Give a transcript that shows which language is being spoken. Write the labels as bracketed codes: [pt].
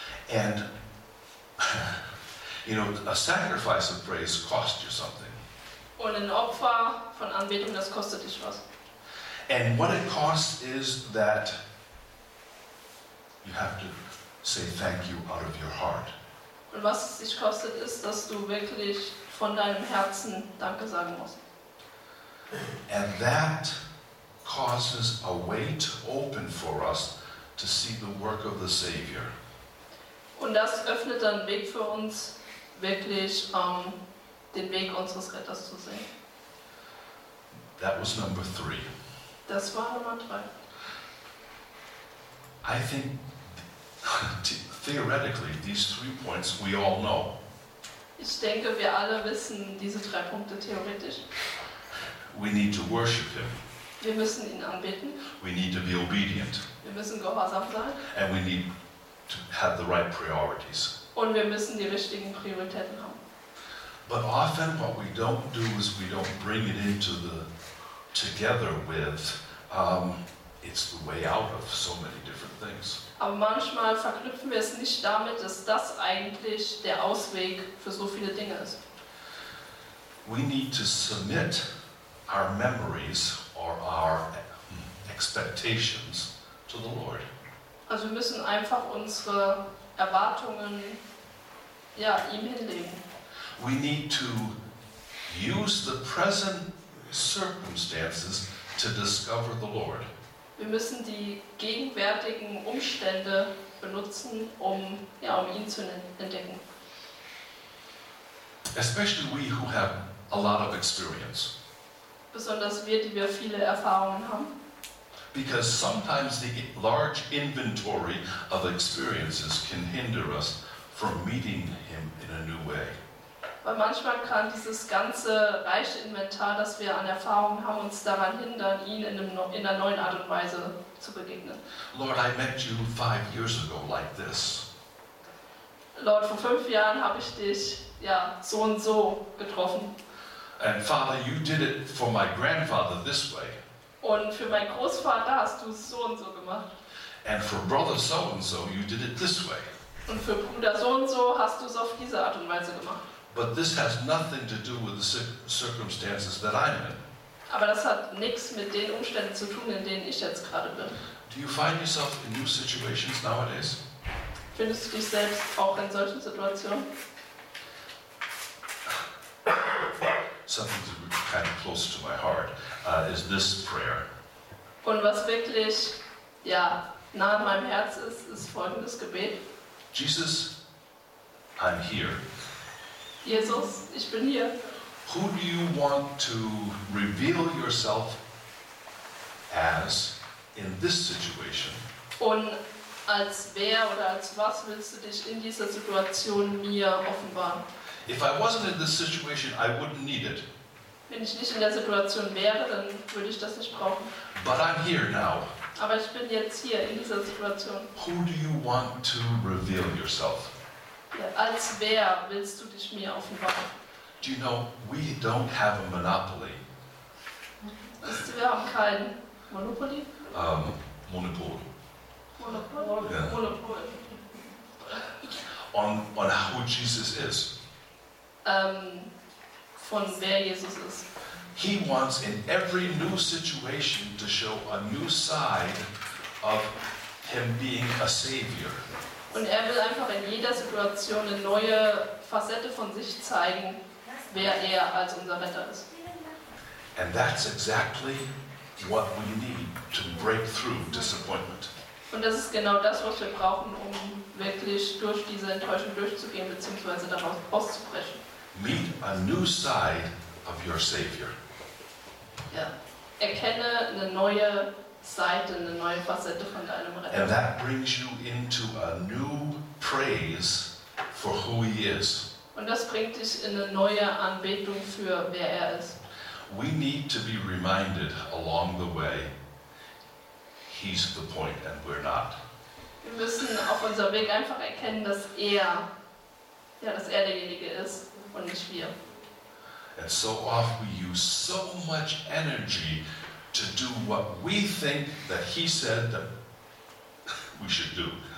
[en] And you know, a sacrifice of praise costs you something. [de] Und ein Opfer von Anbetung, das kostet dich was. [en] And what it costs is that you have to say thank you out of your heart. [de] Und was es dich kostet, ist, dass du wirklich von deinem Herzen Danke sagen musst. [en] And that causes a way to open for us to see the work of the Savior. [de] Und das öffnet dann einen Weg für uns, wirklich den Weg unseres Retters zu sehen. [en] That was number three. [de] Das war Nummer drei. [en] I think theoretically these three points we all know. [de] Ich denke, wir alle wissen diese drei Punkte theoretisch. [en] We need to worship him. [de] Wir müssen ihn anbeten. [en] We need to be obedient. [de] Wir müssen gehorsam sein. [en] And we need to have the right priorities. [de] Und wir müssen die richtigen Prioritäten haben. [en] But often what we don't do is we don't bring it into the together with it's the way out of so many different things. [de] Aber manchmal verknüpfen wir es nicht damit, dass das eigentlich der Ausweg für so viele Dinge ist. [en] We need to submit our memories or our expectations to the Lord. [de] Also wir müssen einfach unsere Erwartungen ihm hinlegen. [en] We need to use the present circumstances to discover the Lord. [de] Wir müssen die gegenwärtigen Umstände benutzen, um ihn zu entdecken. [en] Especially we who have a lot of experience. [de] Besonders wir, die wir viele Erfahrungen haben. [en] Because sometimes the large inventory of experiences can hinder us from meeting him in a new way. [de] Weil manchmal kann dieses ganze reiche Inventar, das wir an Erfahrungen haben, uns daran hindern, ihn in einer neuen Art und Weise zu begegnen. [en] Lord, I met you 5 years ago like this. [de] Lord, vor 5 Jahren habe ich dich so und so getroffen. [en] And Father, you did it for my grandfather this way. [de] Und für meinen Großvater hast du es so und so gemacht. [en] And for brother so and so, you did it this way. [de] Und für Bruder so und so hast du es auf diese Art und Weise gemacht. [en] But this has nothing to do with the circumstances that I'm in. [de] Aber das hat nichts mit den Umständen zu tun, in denen ich jetzt gerade bin. [en] Do you find yourself in new situations nowadays? [de] Findest du dich selbst auch in solchen Situationen? [en] Something kind of close to my heart is this prayer. [de] Und was wirklich nah an meinem Herz ist, ist folgendes Gebet. [en] Jesus, I'm here. [de] Jesus, ich bin hier. [en] Who do you want to reveal yourself as in this situation? [de] Und als wer oder als was willst du dich in dieser Situation mir offenbaren? [en] If I wasn't in this situation, I wouldn't need it. [de] Wenn ich nicht in der Situation wäre, dann würde ich das nicht brauchen. [en] But I'm here now. [de] Aber ich bin jetzt hier in dieser Situation. [en] Who do you want to reveal yourself? [de] Als wer willst du dich mir offenbaren? [en] Do you know, we don't have a monopoly. [de] Weißt du, wir haben kein Monopoly? Monopol. Monopol. [en] Yeah. Monopol. On who Jesus is. [de] Von wer Jesus ist. [en] He wants in every new situation to show a new side of him being a savior. [de] Und er will einfach in jeder Situation eine neue Facette von sich zeigen, wer er als unser Retter ist. [en] And that's exactly what we need to break through disappointment. [de] Und das ist genau das, was wir brauchen, um wirklich durch diese Enttäuschung durchzugehen bzw. daraus auszubrechen. [en] Meet a new side of your Savior. [de] Erkenne eine neue Seite, eine neue Facette von deinem Retter. [en] And that brings you into a new praise for who he is. [de] Und das bringt dich in eine neue Anbetung für wer er ist. [en] We need to be reminded along the way, he's the point and we're not. [de] Wir müssen auf unserem Weg einfach erkennen, dass er derjenige ist. Und nicht wir. [en] And so often we use so much energy to do what we think that he said that we should do.